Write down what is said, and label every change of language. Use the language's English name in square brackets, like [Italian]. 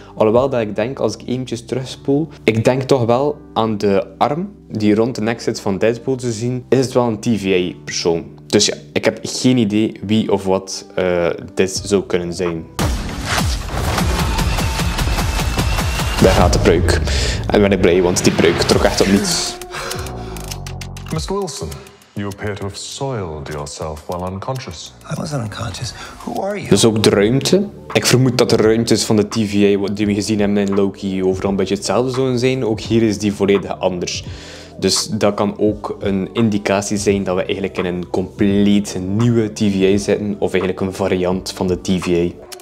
[Dutch] Alhoewel dat ik denk, als ik eventjes terugspoel, ik denk toch wel aan de arm die rond de nek zit van Deadpool te zien, is het wel een TVA-persoon. Dus ja, ik heb geen idee wie of wat dit zou kunnen zijn. Daar gaat de pruik. En ben ik blij, want die pruik trok echt op niets. [English] Mr. Wilson, you appear to have soiled yourself while unconscious. I wasn't unconscious. Who are you? [Dutch] Dus ook de ruimte. Ik vermoed dat de ruimtes van de TVA, die we gezien hebben in Loki, overal een beetje hetzelfde zullen zijn. Ook hier is die volledig anders. Dus dat kan ook een indicatie zijn dat we eigenlijk in een compleet nieuwe TVA zitten. Of eigenlijk een variant van de TVA.